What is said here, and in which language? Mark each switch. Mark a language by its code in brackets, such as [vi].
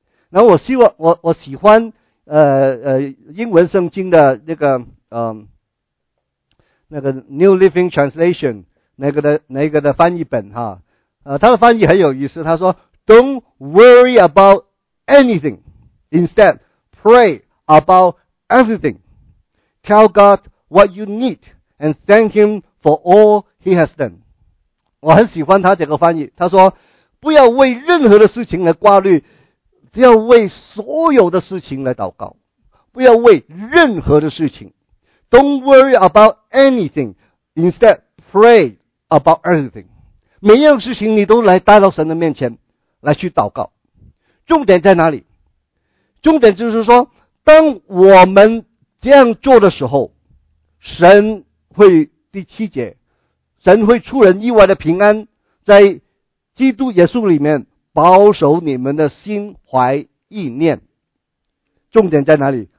[zh] 那我希望我喜欢英文圣经的那个New Living Translation 那个的翻译本哈，他的翻译很有意思，他说 [en] "Don't worry about anything, instead pray about everything. Tell God what you need and thank Him for all He has done." [zh] 我很喜欢他这个翻译，他说不要为任何的事情来挂虑，只要为所有的事情来祷告，不要为任何的事情。 [en] Don't worry about anything, instead pray about everything. [zh] 每样事情你都来带到神的面前来去祷告。重点在哪里？重点就是说，当我们这样做的时候，神会，第七节，神会出人意外的平安，在基督耶稣里面保守你们的心怀意念。重点在哪里？